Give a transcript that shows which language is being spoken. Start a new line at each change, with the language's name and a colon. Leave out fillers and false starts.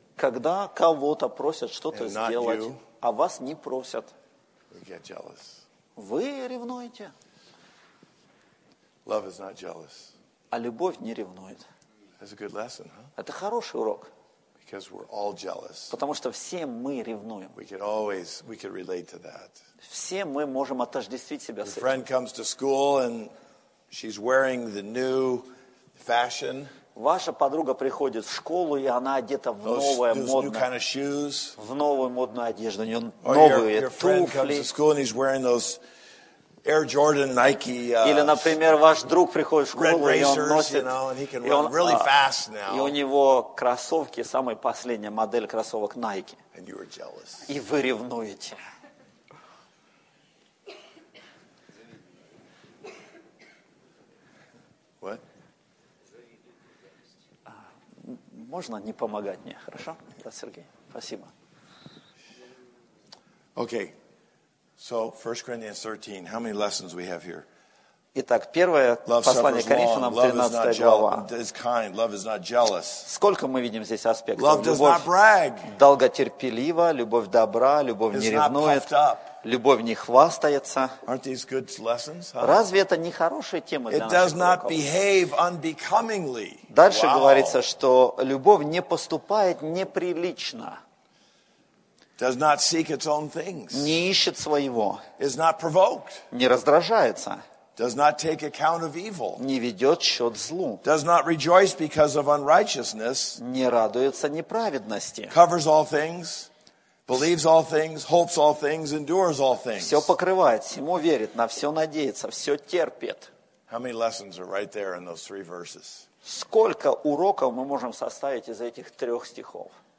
Russian: когда кого-то просят что-то сделать,
English: you,
Russian: а вас не просят,
English: we get jealous.
Russian: Вы ревнуете?
English: Love is not jealous.
Russian: А любовь не ревнует.
English: That's a good lesson, huh?
Russian: Это хороший урок.
English: Because we're all jealous.
Russian: Потому что все мы ревнуем.
English: We could always, we could relate to that.
Russian: Все мы можем отождествить себя
English: Your
Russian: с этим.
English: Friend comes to school and she's wearing the new fashion.
Russian: Ваша подруга приходит в школу, и она одета в новое модное. В новую модную одежду. У нее новые туфли.
English: Air Jordan, Nike,
Russian: Или, например, ваш друг приходит в школу,
English: Red
Russian: и он носит,
English: you know, and he can run really fast now.
Russian: И у него кроссовки, самая последняя модель кроссовок Nike.
English: And you are jealous.
Russian: И вы ревнуете.
English: What?
Russian: Можно не помогать мне, хорошо? Да, Сергей, спасибо.
English: Okay. So, 1 Corinthians 13, how many lessons we have here?
Russian: Итак, первое послание Коринфянам, 13 глава.
English: Love is kind, love is not jealous.
Russian: Сколько мы видим здесь аспектов?
English: Love does not brag.
Russian: Долготерпелива, любовь добра, любовь не ревнует, любовь не хвастается.
English: Aren't these good lessons?
Russian: Разве это не хорошие темы для наших уроков?
English: It does not behave unbecomingly.
Russian: Дальше говорится, что любовь не поступает неприлично.
English: Does not seek its own things.
Russian: Не ищет своего.
English: Is not provoked.
Russian: Не раздражается.
English: Does not take account of evil.
Russian: Не ведет счет злу.
English: Does not rejoice because of unrighteousness.
Russian: Не радуется неправедности.
English: Covers all things, believes all things, hopes all things, endures all things.
Russian: Все покрывает, всему верит, на все надеется, все терпит.
English: How many lessons are right there in those three verses?
Russian: Сколько уроков мы можем составить из этих трех стихов?